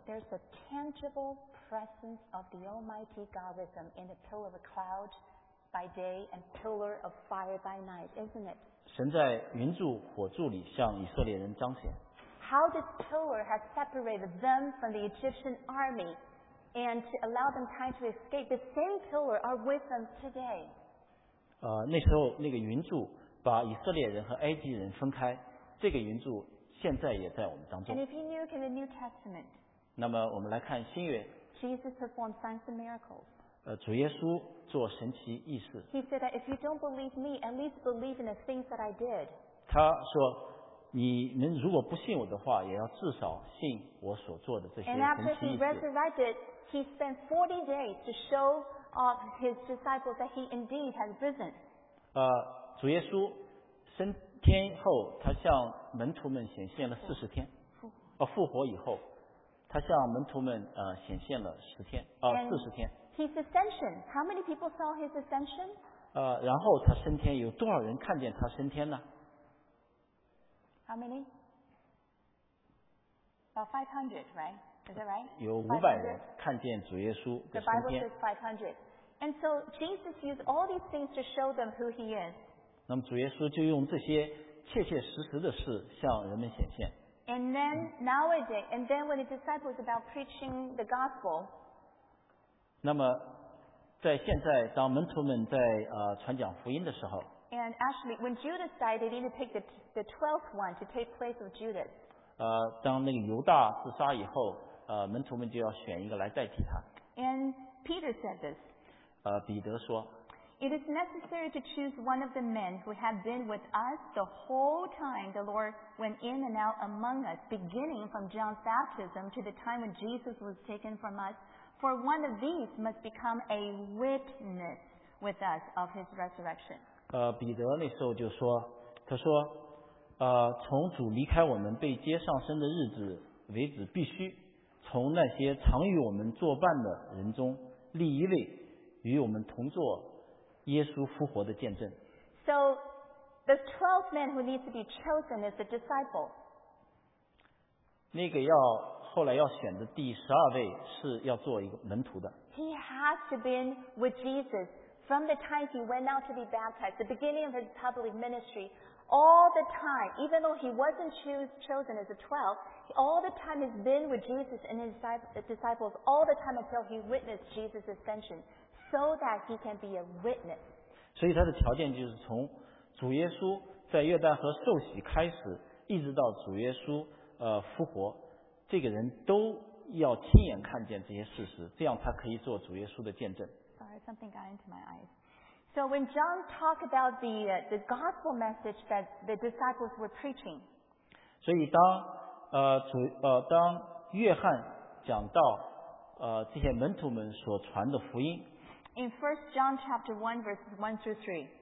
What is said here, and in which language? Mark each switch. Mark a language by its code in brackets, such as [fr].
[en] There's a tangible presence of the Almighty God with them in the pillar of a cloud by day and pillar of fire by night, isn't it? [zh] 神在云柱火柱里向以色列人彰显 [en] How this pillar has separated them from the Egyptian army and to allow them time to escape, the same pillar are with them today. [zh] 那时候那个云柱把以色列人和埃及人分开，这个云柱现在也在我们当中。 [en] And if you look in the New Testament, [zh] 那么我们来看新约。 [en] Jesus performed signs and miracles. [zh] 主耶稣做神奇异事。 [en] He said that if you don't believe me, at least believe in the things that I did. [zh] 他说，你们如果不信我的话，也要至少信我所做的这些神奇异事。 [en] And after he resurrected, he spent 40 days to show off his disciples that he indeed has risen. [zh] 主耶稣升天后，他向门徒们显现了40天。复活以后，他向门徒们显现了40天。 [en] His ascension, how many people saw his ascension? [zh] 然后他升天，有多少人看见他升天呢 [en] ？How many? About 500, right? Is that right? [zh] 有500人看见主耶稣的升天。 [en] The Bible says 500. And so Jesus used all these things to show them who he is. [zh] 那么主耶稣就用这些切切实实的事向人们显现。 [en] And then nowadays, and then when the disciples about preaching the gospel, [zh] 那么在现在，当门徒们在传讲福音的时候 [en] ，And actually, when Judas died, they didn't pick the 12th one to take place of Judas. [zh] 当那个犹大自杀以后，门徒们就要选一个来代替他。 [en] And Peter said this. [zh] 彼得说 [en] ，It is necessary to choose one of the men who have been with us the whole time the Lord went in and out among us, beginning from John's baptism to the time when Jesus was taken from us. For one of these must become a witness with us of his resurrection. [zh] 彼得那时候就说，他说，从主离开我们被接上升的日子为止，必须从那些常与我们作伴的人中立一位，与我们同坐耶稣复活的见证。 [en] So the 12th man who needs to be chosen is the disciple. [zh] 那个要后来要选的第十二位是要做一个门徒的。 [en] He has to been with Jesus from the time he went out to be baptized, the beginning of his public ministry, all the time. Even though he wasn't chosen as a 12, all the time he's been with Jesus and his disciples, all the time until he witnessed Jesus' ascension. So that he can be a witness. [zh] 所以他的条件就是从主耶稣在约旦河受洗开始，一直到主耶稣复活，这个人都要亲眼看见这些事实，这样他可以做主耶稣的见证。 [en] Sorry, something got into my eyes. So when John talked about the gospel message that the disciples were preaching. [zh] 所以当当约翰讲到这些门徒们所传的福音。 [en] In 1 John chapter 1 verses 1 through 3.